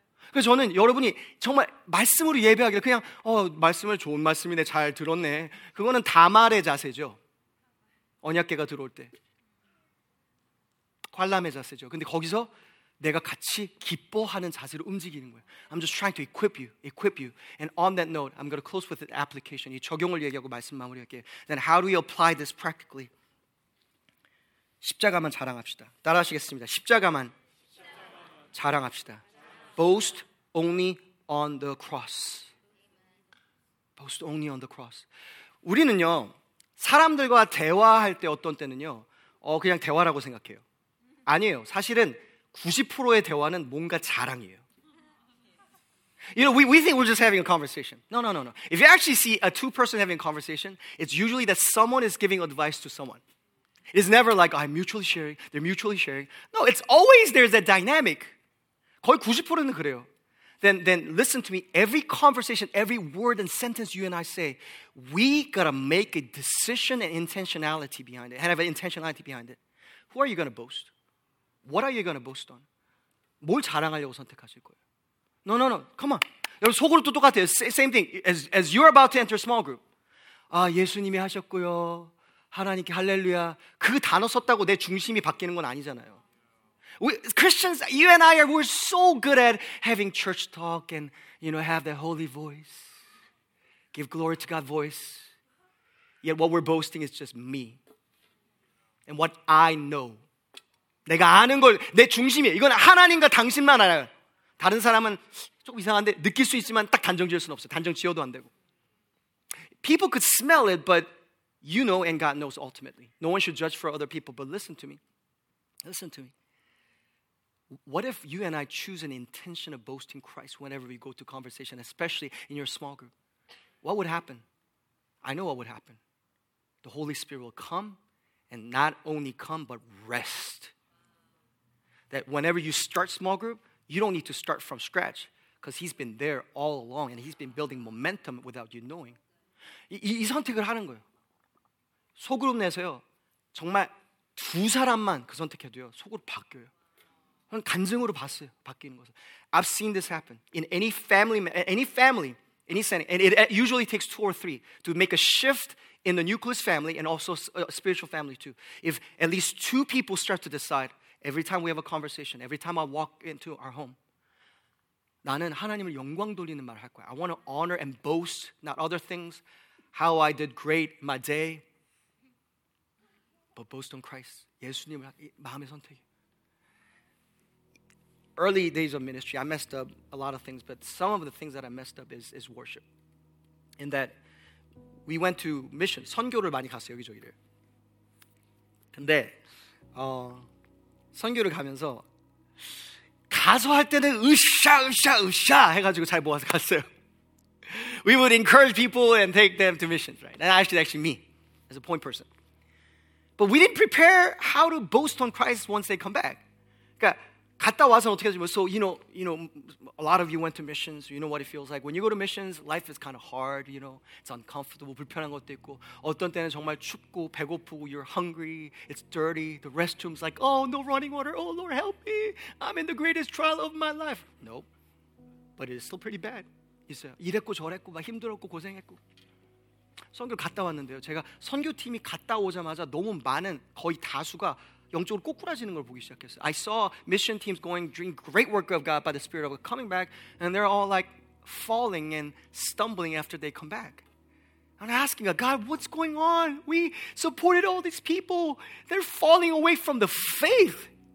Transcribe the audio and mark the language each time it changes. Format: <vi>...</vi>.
<ko>그래서 저는 여러분이 정말 말씀으로 예배하기를 그냥 말씀을 좋은 말씀이네, 잘 들었네, 그거는 다말의 자세죠. 언약궤가 들어올 때 관람의 자세죠. 근데 거기서 내가 같이 기뻐하는 자세로 움직이는 거예요.</ko> <en>I'm just trying to equip you. And on that note, I'm going to close with an application.</en> <ko>이 적용을 얘기하고 말씀 마무리할게요.</ko> <en>Then how do we apply this practically?</en> <ko>십자가만 자랑합시다. 따라하시겠습니다. 십자가만 자랑합시다.</ko> <en>Boast only on the cross. Boast only on the cross.</en> <ko>우리는요, 사람들과 대화할 때 어떤 때는요, 그냥 대화라고 생각해요. 아니에요. 사실은 90%의 대화는 뭔가 자랑이에요.</ko> <en>You know, we think we're just having a conversation. No. If you actually see a two-person having a conversation, it's usually that someone is giving advice to someone. It's never like, I'm mutually sharing, they're mutually sharing. No, it's always there's that dynamic.</en> <ko>거의 90%는 그래요.</ko> <en>Then listen to me. Every conversation, every word and sentence you and I say, we gotta make a decision and intentionality behind it. And have an intentionality behind it. Who are you gonna boast? What are you gonna boast on?</en> <ko>뭘 자랑하려고 선택하실 거예요?</ko> <en>No. Come on.</en> <ko>여러분, 소그룹도 똑같아요.</ko> <en>Same thing. As you're about to enter a small group.</en> <ko>아, 예수님이 하셨고요. 하나님께 할렐루야. 그 단어 썼다고 내 중심이 바뀌는 건 아니잖아요.</ko> <en>Christians, you and I are, we're so good at having church talk and, you know, have that holy voice. Give glory to God voice. Yet what we're boasting is just me. And what I know.</en> <ko>내가 아는 걸, 내 중심이에요. 이건 하나님과 당신만 알아요. 다른 사람은 좀 이상한데 느낄 수 있지만 딱 단정 지을 수는 없어요. 단정 지어도 안 되고.</ko> <en>People could smell it, but you know and God knows ultimately. No one should judge for other people, but listen to me. What if you and I choose an intention of boasting Christ whenever we go to conversation, especially in your small group? What would happen? I know what would happen. The Holy Spirit will come, and not only come, but rest. That whenever you start small group, you don't need to start from scratch because he's been there all along and he's been building momentum without you knowing.</en> <ko>이 선택을 하는 거예요. 소그룹 내에서요, 정말 두 사람만 그 선택해도요, 소그룹 바뀌어요. 저는 간증으로 봤어요, 바뀌는 것을.</ko> <en>I've seen this happen in any family, any setting. And it usually takes two or three to make a shift in the nucleus family and also a spiritual family too. If at least two people start to decide, every time we have a conversation, every time I walk into our home,</en> <ko>나는 하나님을 영광 돌리는 말을 할 거야.</ko> <en>I want to honor and boast, not other things, how I did great my day, but boast on Christ,</en> <ko>예수님을 마음의 선택이.</ko> <en>Early days of ministry, I messed up a lot of things, but some of the things that I messed up is worship. In that, we went to mission.</en> <ko>선교를 많이 갔어요, 여기저기를. 근데 선교를 가면서 가서 할 때는 으쌰으쌰으쌰 해가지고 잘 모아서 갔어요.</ko> <en>We would encourage people and take them to missions, right? And actually me, as a point person. But we didn't prepare how to boast on Christ once they come back.</en> <ko>그러니까 갔다 와서 어떻게 하지?</ko> <en>So, you know, a lot of you went to missions. You know what it feels like. When you go to missions, life is kind of hard, you know. It's uncomfortable,</en> <ko>불편한 것도 있고. 어떤 때는 정말 춥고, 배고프고,</ko> <en>you're hungry, it's dirty. The restroom's like, oh, no running water. Oh, Lord, help me. I'm in the greatest trial of my life. Nope. But it's still pretty bad.</en> <ko>있어요. 이랬고 저랬고, 막 힘들었고, 고생했고. 선교 갔다 왔는데요. 제가 선교팀이 갔다 오자마자 너무 많은, 거의 다수가 영적으로 꼬꾸라지는 걸 보기 시작했어요.</ko> <en>I saw mission teams going, doing great work of God by the Spirit of God, coming back, and they're all like falling and stumbling after they come back. I'm asking God, God, what's going on? We supported all these people. They're falling away from the faith.</en>